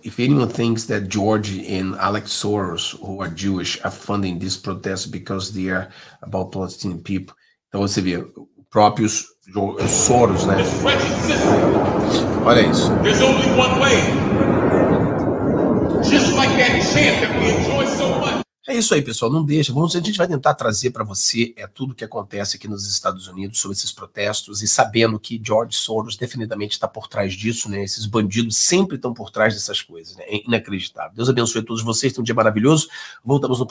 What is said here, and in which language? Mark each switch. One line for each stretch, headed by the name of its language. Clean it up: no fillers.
English: If anyone thinks that George and Alex Soros, who are Jewish, are funding these protests because they are about Palestinian people.
Portuguese: Então você vê, próprios Soros, né? Olha isso.
English: There's only one way. Just like that chant that we enjoy so much.
Portuguese: É isso aí, pessoal. Não deixa. A gente vai tentar trazer para você tudo o que acontece aqui nos Estados Unidos sobre esses protestos e sabendo que George Soros definitivamente está por trás disso, né? Esses bandidos sempre estão por trás dessas coisas, né? É inacreditável. Deus abençoe a todos vocês. Tenham um dia maravilhoso. Voltamos no próximo.